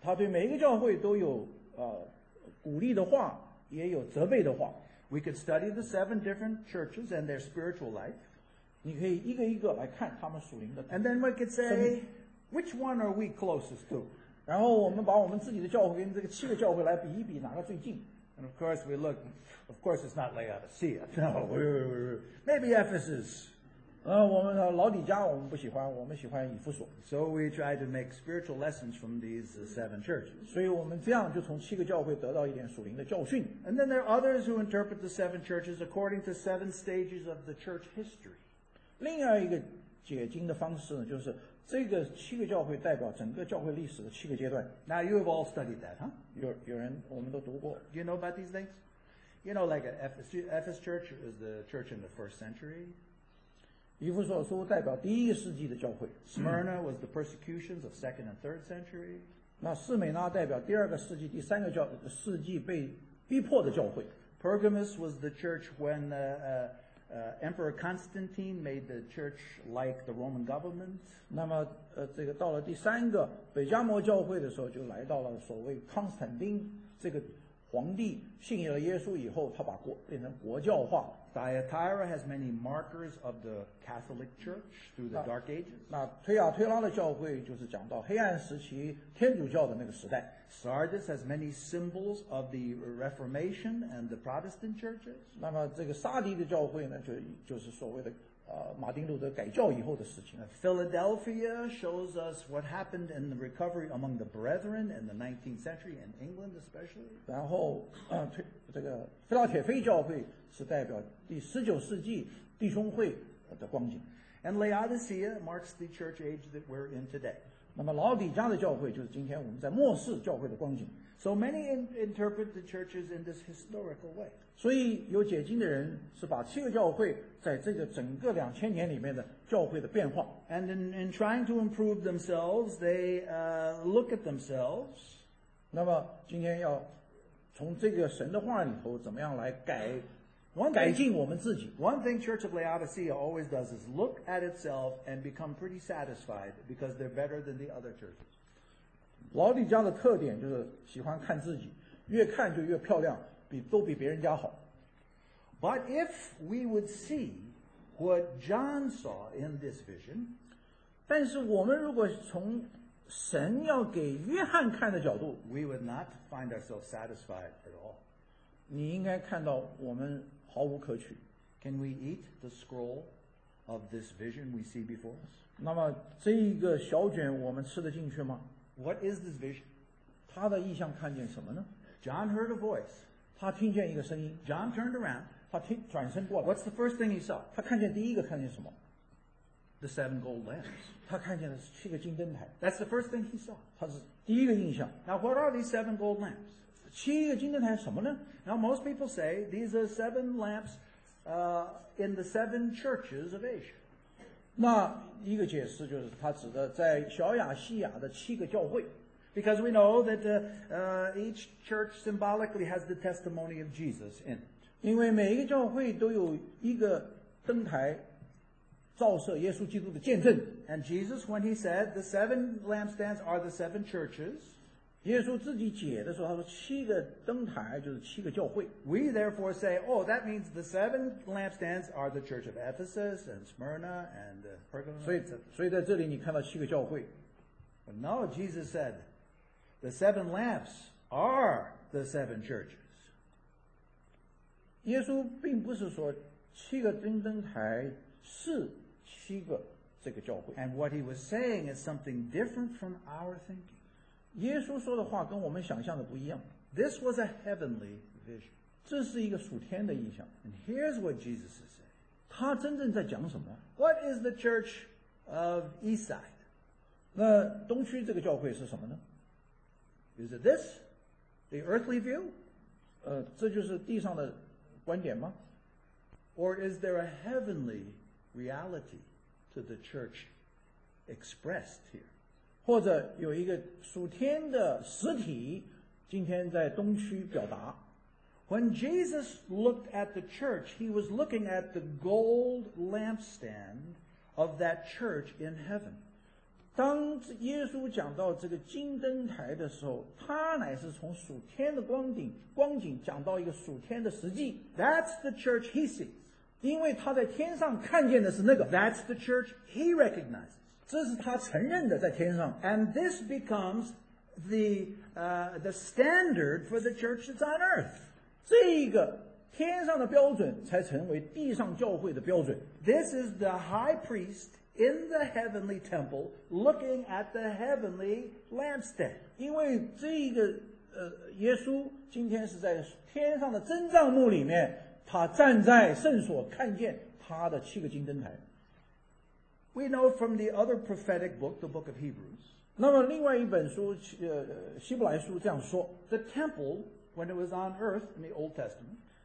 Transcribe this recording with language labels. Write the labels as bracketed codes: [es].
[zh] 他对每一个教会都有鼓励的话，也有责备的话。 [en] We could study the seven different churches and their spiritual life. [zh] 你可以一个一个来看他们属灵的。 [en] And then we could say, which one are we closest to? [zh] 然后我们把我们自己的教会跟这个七个教会来比一比，哪个最近。 [en] And of course we look, of course it's not Laodicea. No, maybe Ephesus. [zh] 我们老底家我们不喜欢，我们喜欢以弗所。 [en] So we try to make spiritual lessons from these seven churches. [zh] 所以我们这样就从七个教会得到一点属灵的教训。 [en] And then there are others who interpret the seven churches according to seven stages of the church history. [zh] 另外一个解经的方式呢，就是这个七个教会代表整个教会历史的七个阶段。 [en] Now you have all studied that, huh? [zh] 有人我们都读过。 [en] Do you know about these things? You know, like Ephesus church is the church in the first century. [zh] 以弗所书代表第一世纪的教会。 [en] Smyrna was the persecutions of second and third century. [zh] 那士美那代表第二个世纪、第三个世纪被逼迫的教会。 [en] Pergamus was the church when Emperor Constantine made the church like the Roman government. [zh] 那么这个到了第三个北加摩教会的时候，就来到了所谓康斯坦丁这个皇帝信了耶稣以后，他把国变成国教化。 [en] Thyatira has many markers of the Catholic Church through the Dark Ages. [zh] 那推亚推拉的教会就是讲到黑暗时期天主教的那个时代。 [en] Sardis has many symbols of the Reformation and the Protestant churches. [zh] 那么这个撒迪的教会呢，就是所谓的马丁路德改教以后的事情。 [en] Philadelphia shows us what happened in the recovery among the brethren in the 19th century in England especially. [zh] 然后这个菲拉铁菲教会是代表第十九世纪弟兄会的光景。 [en] And Laodicea marks the church age that we're in today. [zh] 那么老底家的教会就是今天我们在末世教会的光景。 [en] So many interpret the churches in this historical way. [zh] 所以有解经的人是把七个教会在这个整个两千年里面的教会的变化。 [en] And in trying to improve themselves, they look at themselves. [zh] 那么今天要从这个神的话里头怎么样来改进我们自己。 [en] One thing Church of Laodicea always does is look at itself and become pretty satisfied because they're better than the other churches. [zh] 老底家的特点就是喜欢看自己，越看就越漂亮，都比别人家好。 [en] But if we would see what John saw in this vision, [zh] 但是我们如果从神要给约翰看的角度 [en] ，we would not find ourselves satisfied at all. [zh] 你应该看到我们毫无可取。 [en] Can we eat the scroll of this vision we see before us? [zh] 那么这一个小卷我们吃得进去吗？ [en] What is this vision? [zh] 他的异象看见什么呢? [en] John heard a voice. [zh] 他听见一个声音。 [en] John turned around. [zh] 他听转身过来。 [en] What's the first thing he saw? [zh] 他看见第一个看见什么? [en] The seven gold lamps. [zh] 他看见的是七个金灯台。 [en] That's the first thing he saw. [zh] 他是第一个印象。 [en] Now what are these seven gold lamps? [zh] 七个金灯台什么呢? [en] Now most people say these are seven lamps in the seven churches of Asia. [zh] 那一个解释就是他指的在小亚细亚的七个教会 [en] because we know that each church symbolically has the testimony of Jesus in it. [zh] 因为每一个教会都有一个灯台照射耶稣基督的见证 [en] and Jesus when he said the seven lampstands are the seven churches [zh] 耶稣自己解的时候他说七个灯台就是七个教会 [en] we therefore say oh that means the seven lampstands are the church of Ephesus and Smyrna and Pergamum [zh] 所以在这里你看到七个教会 [en] but no Jesus said the seven lamps are the seven churches [zh] 耶稣并不是说七个灯台是七个这个教会 [en] and what he was saying is something different from our thinking [zh] 耶稣说的话跟我们想象的不一样。 [en] This was a heavenly vision. [zh] 这是一个属天的意象。 [en] And here's what Jesus is saying. [zh] 他真正在讲什么 [en] ？What is the church of Eastside? [zh] 那东区这个教会是什么呢 [en] ？Is it this, the earthly view? [zh] 这就是地上的观点吗 [en] ？Or is there a heavenly reality to the church expressed here? [zh] 或者有一个属天的实体今天在东区表达 [en] When Jesus looked at the church he was looking at the gold lampstand of that church in heaven [zh] 当耶稣讲到这个金灯台的时候他乃是从属天的光景讲到一个属天的实际 [en] That's the church he sees [zh] 因为他在天上看见的是那个 [en] That's the church he recognizes [zh] 这是他承认的在天上 [en] and this becomes the standard for the church that's on earth [zh] 这个天上的标准才成为地上教会的标准 [en] this is the high priest in the heavenly temple looking at the heavenly lampstand [zh] 因为这个耶稣今天是在天上的真帐幕里面他站在圣所看见他的七个金灯台 [en] We know from the other prophetic book, the book of Hebrews. [zh] 那么另外一本书，希伯来书这样说 [en] The temple, when it was on earth in the Old Testament,